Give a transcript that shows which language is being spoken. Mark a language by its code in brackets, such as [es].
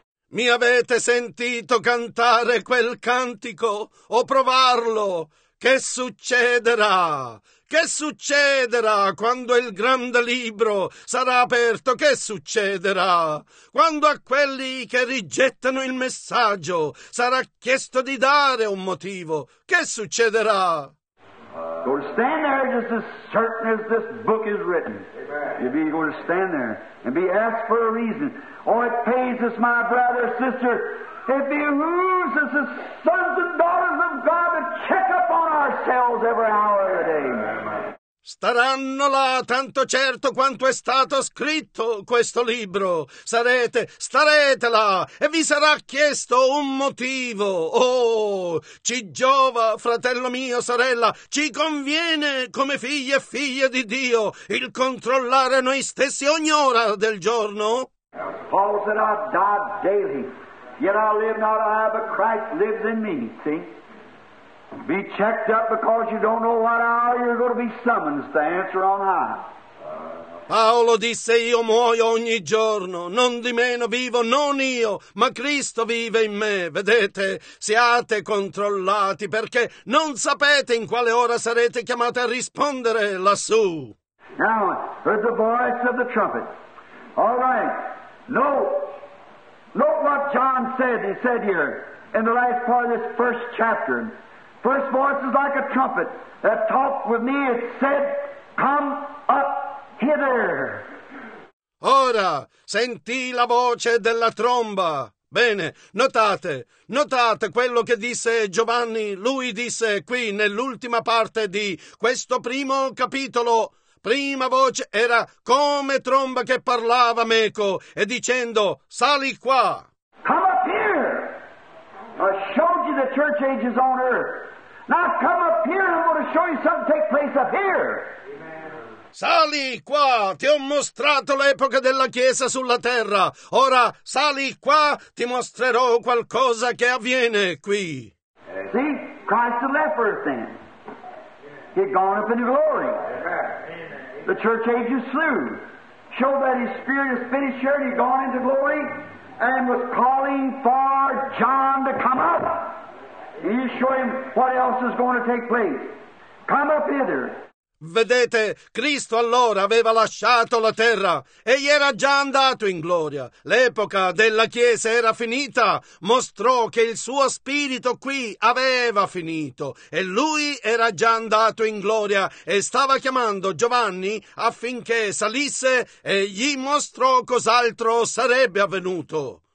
[it] Mi avete sentito cantare quel cantico o provarlo? Che succederà? Che succederà quando il grande libro sarà aperto? Che succederà? Quando a quelli che rigettano il messaggio sarà chiesto di dare un motivo? Che succederà? [en] You're going to stand there just as certain as this book is written. You're going to stand there and be asked for a reason. Oh, it pains us, my brother, sister, it behooves us as sons and daughters of God to check up on ourselves every hour of the day. [it] Staranno là, tanto certo quanto è stato scritto questo libro. Starete là, e vi sarà chiesto un motivo. Oh, ci giova, fratello mio, sorella, ci conviene come figli e figlie di Dio il controllare noi stessi ogni ora del giorno. [en] Paul said, I die daily, yet I live not I, but Christ lives in me, see? Be checked up because you don't know what hour you're going to be summoned to answer on high. [it] Paolo disse, io muoio ogni giorno, non di meno vivo, non io, ma Cristo vive in me. Vedete, siate controllati, perché non sapete in quale ora sarete chiamati a rispondere lassù. [en] Now, heard the voice of the trumpet. All right, note what John said. He said here in the last part of this first chapter. First voice is like a trumpet that talked with me. It said, come up hither. [it] Ora, sentì la voce della tromba. Bene, notate quello che disse Giovanni. Lui disse qui nell'ultima parte di questo primo capitolo. Prima voce era come tromba che parlava meco e dicendo, sali qua. [en] Come up here. I showed you the church ages on earth. Now come up here, I'm going to show you something take place up here. [it] Sali qua, ti ho mostrato l'epoca della Chiesa sulla terra. Ora sali qua, ti mostrerò qualcosa che avviene qui. [en] See, Christ had left earth then. He had gone up into glory. The church age is through. Showed that his spirit is finished here, and he had gone into glory, and was calling for John to come up. And you show him what else is going to take place. Come up hither. [it] Vedete, Cristo allora aveva lasciato la terra. Egli era già andato in gloria. L'epoca della Chiesa era finita. Mostrò che il suo spirito qui aveva finito. E lui era già andato in gloria. E stava chiamando Giovanni affinché salisse e gli mostrò cos'altro sarebbe avvenuto.